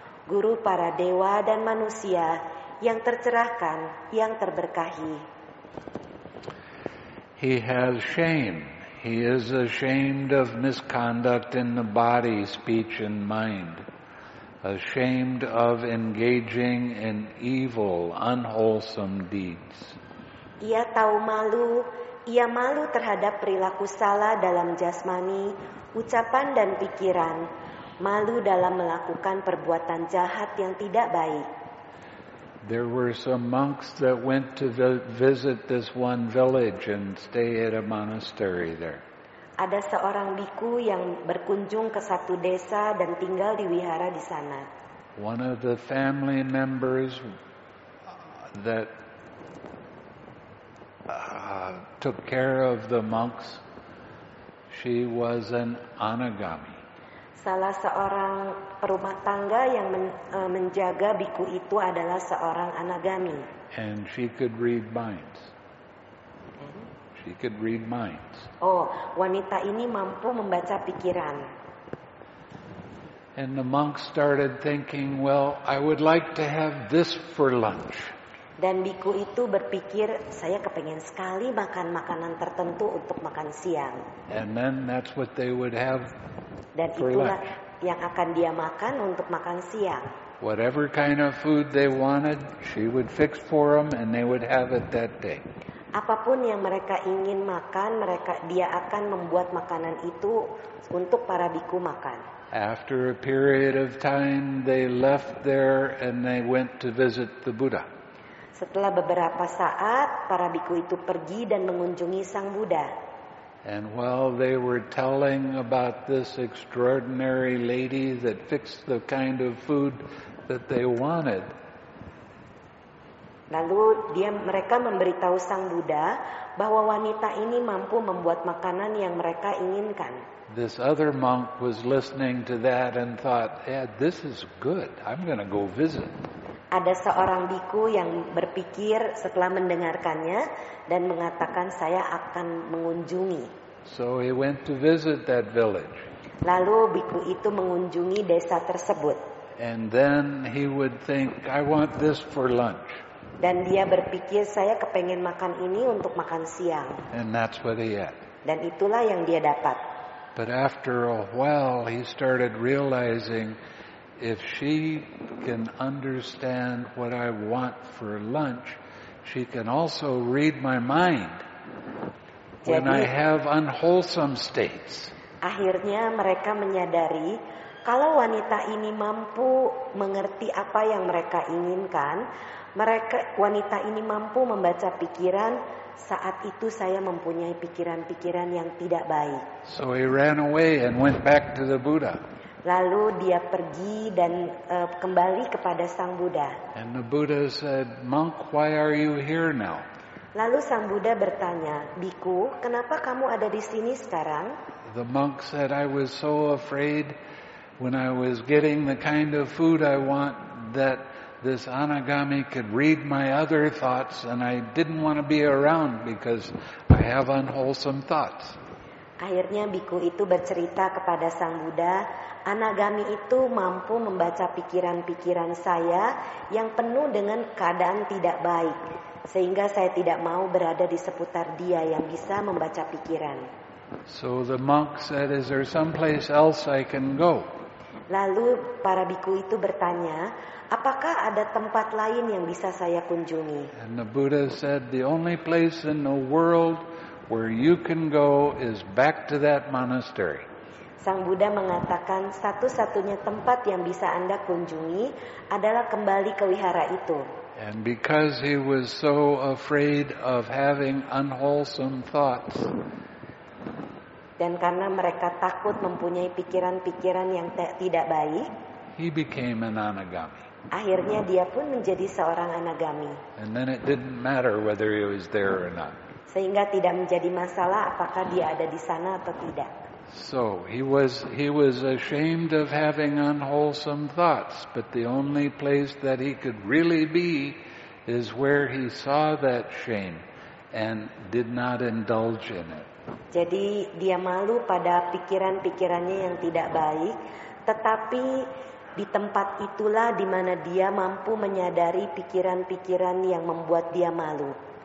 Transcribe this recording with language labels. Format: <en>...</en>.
<id>Guru para dewa dan manusia yang tercerahkan, yang terberkahi.</id> <en>He has shame. He is ashamed of misconduct in the body, speech, and mind. Ashamed of engaging in evil, unwholesome deeds.</en> <id>Ia tahu malu. Ia malu terhadap perilaku salah dalam jasmani, ucapan, dan pikiran. Malu dalam melakukan perbuatan jahat yang tidak baik.</id> <en>There were some monks that went to visit this one village and stay at a monastery there.</en> <id>Ada seorang biku yang berkunjung ke satu desa dan tinggal di wihara di sana.</id> <en>One of the family members that took care of the monks, she was an anagami.</en> <id>Salah seorang perumah tangga yang menjaga biku itu adalah seorang anagami.</id> <en>And she could read minds. She could read minds.</en> <id>Oh, wanita ini mampu membaca pikiran.</id> <en>And the monk started thinking, well, I would like to have this for lunch.</en> <id>Dan biku itu berpikir, saya kepengen sekali makan makanan tertentu untuk makan siang.</id> <en>And then that's what they would have.</en> <id>Dan itulah yang akan dia makan untuk makan siang.</id> <en>Whatever kind of food they wanted, she would fix for them and they would have it that day.</en> <id>Apapun yang mereka ingin makan, dia akan membuat makanan itu untuk para biku makan.</id> <en>After a period of time, they left there and they went to visit the Buddha.</en> <id>Setelah beberapa saat, para biku itu pergi dan mengunjungi Sang Buddha.</id> <en>And while they were telling about this extraordinary lady that fixed the kind of food that they wanted,</en> <id>lalu mereka memberitahu Sang Buddha bahwa wanita ini mampu membuat makanan yang mereka inginkan.</id> <en>This other monk was listening to that and thought, yeah, this is good. I'm going to go visit.</en> <id>Ada seorang biku yang berpikir setelah mendengarkannya dan mengatakan saya akan mengunjungi.</id> <en>So he went to visit that village.</en> <id>Lalu biku itu mengunjungi desa tersebut.</id> <en>And then he would think, I want this for lunch.</en> <id>Dan dia berpikir saya kepengen makan ini untuk makan siang.</id> <en>And that's what he had.</en> <id>Dan itulah yang dia dapat.</id> <en>But after a while he started realizing, if she can understand what I want for lunch, she can also read my mind.</en> <id>Jadi,</id> <en>when I have unwholesome states.</en> <id>Akhirnya mereka menyadari kalau wanita ini mampu mengerti apa yang mereka inginkan, wanita ini mampu membaca pikiran. Saat itu saya mempunyai pikiran-pikiran yang tidak baik.</id> <en>So he ran away and went back to the Buddha.</en> <id>Lalu dia pergi dan kembali kepada Sang Buddha.</id> <en>And the Buddha said, "Monk, why are you here now?"</en> <id>Lalu Sang Buddha bertanya, "Biku, kenapa kamu ada di sini sekarang?"</id> <en>The monk said, I was so afraid when I was getting the kind of food I want that this anagami could read my other thoughts, and I didn't want to be around because I have unwholesome thoughts.</en> <id>Akhirnya biku itu bercerita kepada Sang Buddha, anagami itu mampu membaca pikiran-pikiran saya yang penuh dengan keadaan tidak baik, sehingga saya tidak mau berada di seputar dia yang bisa membaca pikiran.</id> <en>So the monk said, is there some place else I can go?</en> <id>Lalu para biku itu bertanya, apakah ada tempat lain yang bisa saya kunjungi?</id> <en>And the Buddha said, the only place in the world where you can go is back to that monastery.</en> <id>Sang Buddha mengatakan satu-satunya tempat yang bisa Anda kunjungi adalah kembali ke wihara itu.</id> <en>And because he was so afraid of having unwholesome thoughts.</en> <id>Dan karena mereka takut mempunyai pikiran-pikiran yang tidak baik,</id> <en>he became an anagami.</en> <id>Akhirnya dia pun menjadi seorang anagami.</id> <en>And then it didn't matter whether he was there or not.</en> <id>Sehingga tidak menjadi masalah apakah dia ada di sana atau tidak.</id> <en>So he was ashamed of having unwholesome thoughts, but the only place that he could really be is where he saw that shame and did not indulge in it.</en> <id>Jadi dia malu pada pikiran-pikirannya yang tidak baik, tetapi di tempat itulah di mana dia mampu menyadari pikiran-pikiran yang membuat dia malu.</id>